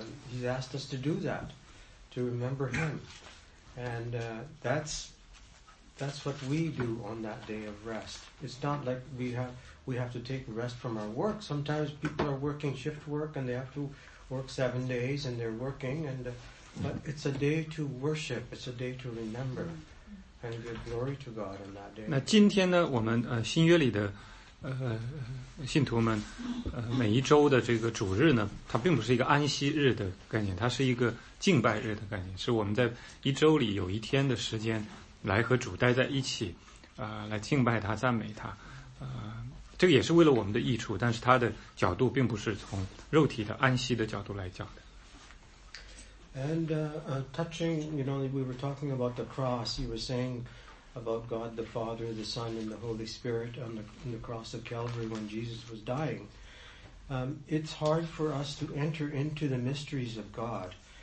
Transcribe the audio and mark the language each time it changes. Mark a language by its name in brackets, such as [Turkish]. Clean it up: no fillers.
[English] He's asked us to do that, to remember Him. And that's what we do on that day of rest. It's not like we have to take rest from our work. Sometimes people are working shift work and they have to work 7 days and they're working. But it's a day to worship. It's a day to remember and give glory to God on that day. [Chinese] 那今天呢，我们新约里的信徒们每一周的这个主日呢，它并不是一个安息日的概念，它是一个敬拜日的概念，是我们在一周里有一天的时间来和主待在一起来敬拜他，赞美他这个也是为了我们的益处，但是它的角度并不是从肉体的安息的角度来讲的。 [English] And touching, you know, we were talking about the cross. You were saying, about God the Father, the Son, and the Holy Spirit on the cross of Calvary when Jesus was dying. It's hard for us to enter into the mysteries of God.